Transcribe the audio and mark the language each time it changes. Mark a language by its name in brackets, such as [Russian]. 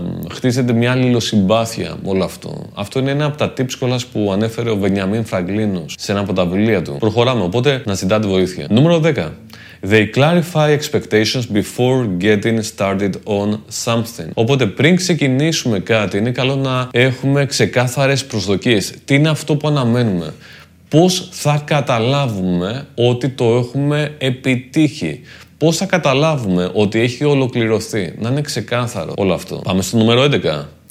[Greek] Χτίζεται μια αλληλοσυμπάθεια με όλο αυτό. Αυτό είναι ένα από τα tips κιόλας που ανέφερε ο Βενιαμίν Φραγκλίνος σε ένα από τα βιβλία του. Προχωράμε, οπότε να ζητάτε βοήθεια. Νούμερο 10. [English] They clarify expectations before getting started on something. [Greek] Οπότε πριν ξεκινήσουμε κάτι, είναι καλό να έχουμε ξεκάθαρες προσδοκίες. Τι είναι αυτό που αναμένουμε. Πώς θα καταλάβουμε ότι το έχουμε επιτύχει. Πώς θα καταλάβουμε ότι έχει ολοκληρωθεί. Να είναι ξεκάθαρο όλο αυτό. Πάμε στο νούμερο 11.